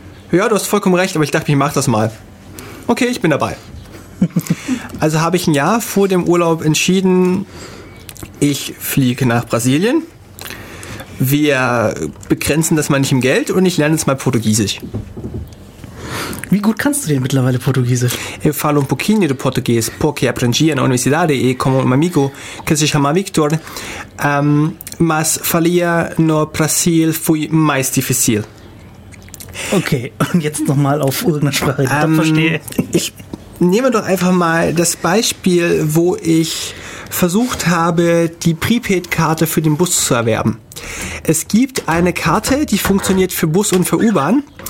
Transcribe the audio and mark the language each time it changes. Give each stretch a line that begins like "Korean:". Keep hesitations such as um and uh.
German: Ja, du hast vollkommen recht, aber ich dachte, ich mach das mal. Okay, ich bin dabei. Also habe ich ein Jahr vor dem Urlaub entschieden, ich fliege nach Brasilien. Wir begrenzen das mal nicht im Geld und ich lerne jetzt mal Portugiesisch. Wie gut kannst du denn mittlerweile Portugiesisch?
Portuguese: Eu falo um pouquinho de português porque aprendi na universidade e como um amigo que se chama Victor. Um, mas falia no Brasil foi mais difícil.
German: Okay, und jetzt nochmal auf irgendeine Sprache, die ich Ähm, ähm, verstehe. Ich nehme doch einfach mal das Beispiel, wo ich versucht habe, die Prepaid-Karte für den Bus zu erwerben. Es gibt eine Karte, die funktioniert für Bus und für U-Bahn.